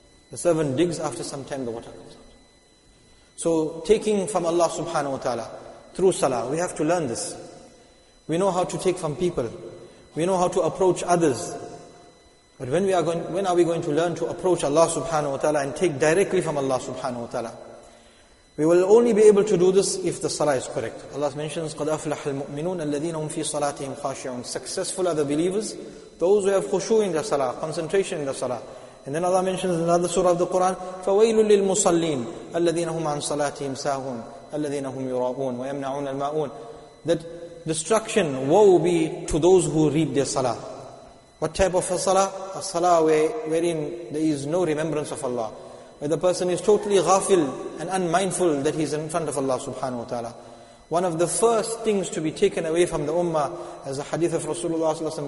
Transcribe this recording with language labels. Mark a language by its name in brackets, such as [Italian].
[English] The servant digs, after some time the water comes out. So taking from Allah subhanahu wa ta'ala through salah, we have to learn this. We know how to take from people. We know how to approach others. But when are we going to learn to approach Allah subhanahu wa ta'ala and take directly from Allah subhanahu wa ta'ala? We will only be able to do this if the salah is correct. Allah mentions, [Arabic] قَدْ أَفْلَحَ الْمُؤْمِنُونَ الَّذِينَ هُمْ فِي صَلَاتِهِمْ خَاشِعُونَ. [English] Successful are the believers, those who have khushu in the salah, concentration in the salah. And then Allah mentions in another surah of the Quran, [Arabic] فَوَيْلُ لِلْمُصَلِّينَ الَّذِينَ هُمْ عَنْ صَلَاتِهِمْ سَاهُونَ الَّذِينَ هُمْ يُرَاؤُونَ وَيَمْنَعُونَ الْمَاؤُونَ. [English] That destruction, woe be to those who read their salah. What type of a salah? A salah wherein there is no remembrance of Allah. Where the person is totally ghafil and unmindful that he is in front of Allah subhanahu wa ta'ala. One of the first things to be taken away from the ummah, as the hadith of Rasulullah s.a.w.